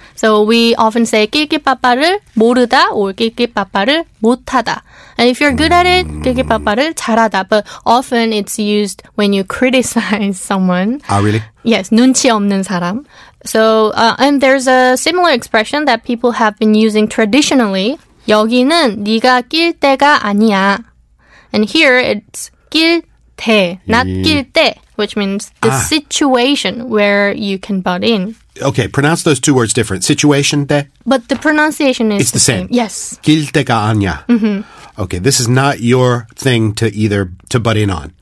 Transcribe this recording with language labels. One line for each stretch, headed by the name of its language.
English: So we often say
Korean: 낄낄빠빠를 모르다
English: or
Korean: 낄낄빠빠를 못하다.
English: And if you're good at it,
Korean: 낄낄빠빠를 잘하다.
English: But often it's used when you criticize someone. Ah, really?
Korean: Yes, 눈치 없는 사람.
English: So, and there's a similar expression that people have been using traditionally.
Korean: 여기는 네가 낄 때가 아니야.
English: And here it's 낄 때, not 낄 때, which means the situation where you can butt in. Okay, pronounce those two words different. Situation, 때. But the pronunciation is it's the same. Yes.
Korean: 낄 때가 아니야. Mm-hmm.
English: Okay, this is not your thing to either to butt in on.